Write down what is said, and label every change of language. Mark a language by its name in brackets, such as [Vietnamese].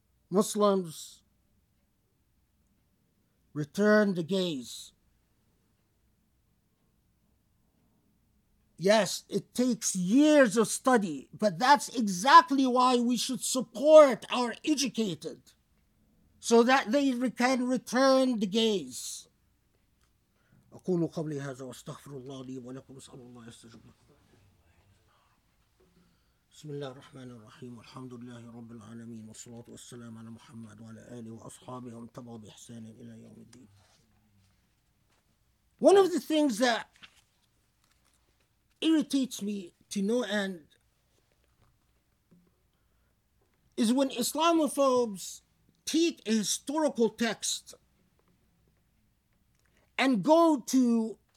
[English] Muslims, return the gaze. Yes, it takes years of study, but that's exactly why we should support our educated, so that they can return the gaze. [Arabic] أقول قبلي هذا واستغفر الله لي ولكم وأسأل الله يستجب لكم. بسم الله الرحمن الرحيم والحمد لله رب العالمين والصلاة والسلام على محمد وعلى آله وأصحابه ومن تبعهم بإحسان إلى يوم الدين. [English] One of the things that irritates me to no end is when Islamophobes take a historical text and go to